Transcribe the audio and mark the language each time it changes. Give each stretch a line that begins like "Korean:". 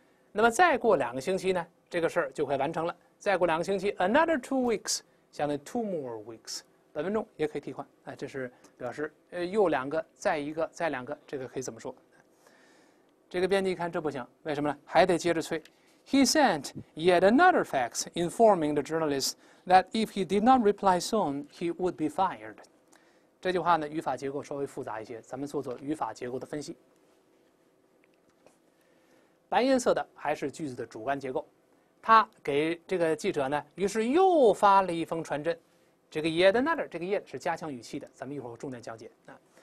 Chinese: 那么再过两个星期呢，这个事儿就会完成了。再过两个星期 ，
English: another 2 weeks。
Chinese: 相当于
English: two more weeks，
Chinese: 本文中也可以替换，这是表示又两个，再一个，再两个，这个可以怎么说？这个编辑一看这不行，为什么呢？还得接着催。
English: He sent yet another fax informing the journalist that if he did not reply soon, he would be fired。
Chinese: 这句话呢，语法结构稍微复杂一些，咱们做做语法结构的分析。白颜色的还是句子的主干结构。他给这个记者呢，于是又发了一封传真。这个 yet another， 这个 yet 是加强语气的，咱们一会儿重点讲解啊。